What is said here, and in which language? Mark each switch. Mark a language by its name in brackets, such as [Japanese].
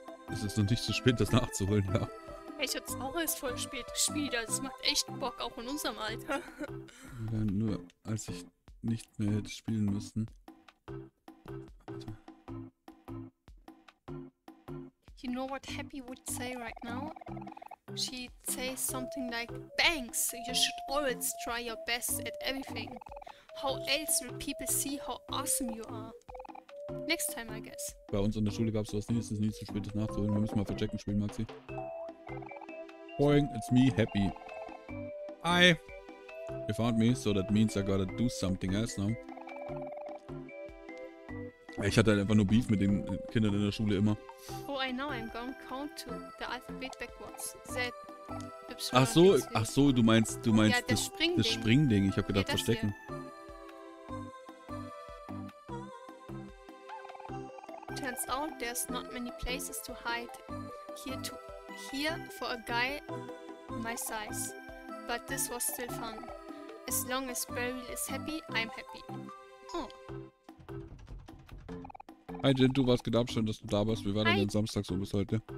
[German] Es ist noch nicht zu spät, das nachzuholen, ja. Ich hab's auch erst voll spät gespielt. Das macht echt Bock, auch in unserem Alter. Ja, nur als ich nicht mehr hätte spielen müssen. [English] You know what Happy would say right now? She'd say something like, "Thanks, you should always try your best at everything. How else will people see how awesome you are? Next time, I guess." [German] Bei uns in der Schule gab's sowas nie, es ist nie zu spät, das nachzuholen. Wir müssen mal verchecken spielen, Maxi. [English] Boing, it's me, Happy. Hi. You found me, so that means I gotta do something else now. [German] Ich hatte halt einfach nur Beef mit den Kindern in der Schule immer. [English] Oh, I know, I'm going to count to the alphabet backwards. That [German] ach so, du meinst ja, das Springding. Ich hab gedacht, ja, verstecken. Hier. [English] Turns out there's not many places to hide here for a guy my size. But this was still fun. As long as Barry is happy, I'm happy. Oh. [German] Hi Gentoo, was geht ab? Schön, dass du da bist. Wie war denn dein Samstag so bis heute?